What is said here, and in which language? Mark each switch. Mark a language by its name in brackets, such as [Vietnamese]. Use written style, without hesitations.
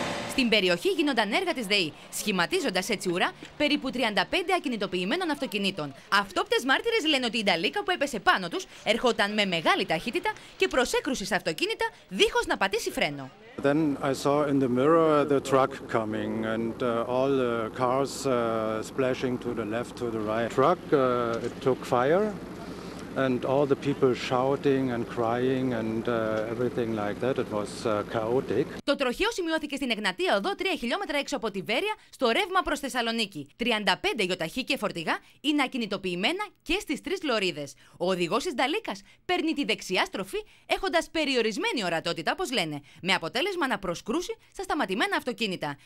[Greek] Στην περιοχή γίνονταν έργα της ΔΕΗ, σχηματίζοντας έτσι ουρά περίπου 35 ακινητοποιημένων αυτοκινήτων. Αυτόπτες μάρτυρες λένε ότι η νταλίκα που έπεσε πάνω τους ερχόταν με μεγάλη ταχύτητα και προσέκρουσε στα αυτοκίνητα δίχως να πατήσει φρένο. [English] Then I saw in the mirror the truck coming and all the cars splashing to the left, to the right. The truck, it took fire and all the people shouting and crying and everything like that. It was chaotic. [Greek] Το τροχαίο σημειώθηκε στην Εγνατία Οδό 3 χιλιόμετρα έξω από τη Βέρεια, στο ρεύμα προς Θεσσαλονίκη. 35 γιοταχή και φορτηγά είναι ακινητοποιημένα και στις 3 λωρίδες. Ο οδηγός της Νταλίκας παίρνει τη δεξιά στροφή έχοντας περιορισμένη ορατότητα, όπως λένε, με αποτέλεσμα να προσκρούσει στα σταματημένα αυτοκίνητα.